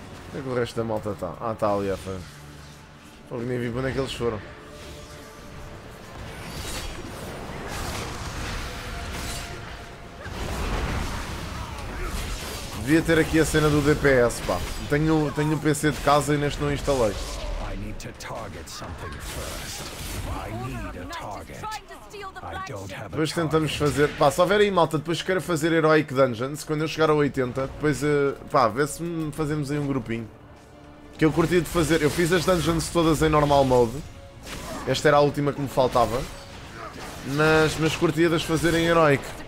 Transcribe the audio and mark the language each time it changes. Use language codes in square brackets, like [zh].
[pt] Onde é que o resto da malta está? Ah, está ali, foi. Nem vi para onde é que eles foram. Devia ter aqui a cena do DPS, pá. Tenho um PC de casa e neste não instalei. [en] I need to target something first. I need a target. I don't have a target. Depois tentamos fazer. [pt] Pá, se houver aí malta, depois quero fazer Heroic Dungeons. Quando eu chegar a 80, depois. Pá, vê se fazemos aí um grupinho. Que eu curti de fazer. Eu fiz as dungeons todas em normal mode. Esta era a última que me faltava. Mas curtia das fazer em Heroic.